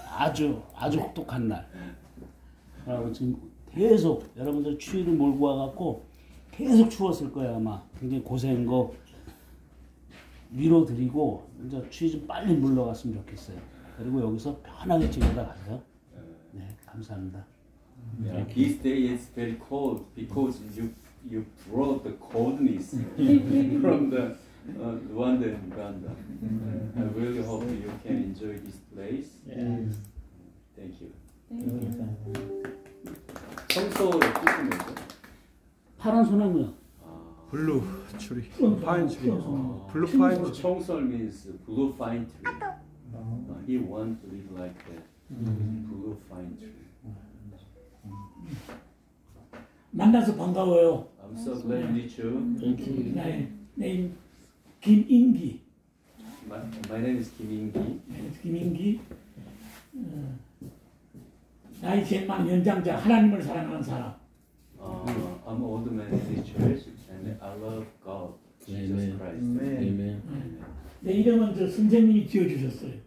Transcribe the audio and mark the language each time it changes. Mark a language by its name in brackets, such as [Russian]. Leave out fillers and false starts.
[Korean] 아주 혹독한 날. 그리고 지금 계속 여러분들 추위를 몰고 와갖고 계속 추웠을 거예요 아마. 굉장히 고생한 거 위로드리고 이제 추위 좀 빨리 물러갔으면 좋겠어요. 그리고 여기서 편하게 지내다 가세요. 네, 감사합니다. [English] Yeah, this day is very cold because you brought the coldness from the Rwanda and Uganda. I really hope you can enjoy this place. Yeah. Thank you. Thank you. [Korean] 청소를 뜻은 뭐죠? 파란 소나무요. [English] 블루 트리. 파인 트리. 블루 파인 트리. 청소 means blue pine tree. He wants to live like that. Blue pine tree. [Korean] 만나서 반가워요. [English] I'm so glad to meet you. Thank you. My name is 김인기. My name is 김인기. [Korean] 김인기. 나이 제만 연장자 하나님을 사랑하는 사람. [English] I'm old man in this church and I love God, Jesus Christ. Amen. Amen. [Korean] 내 이름은 저 선생님이 지어주셨어요.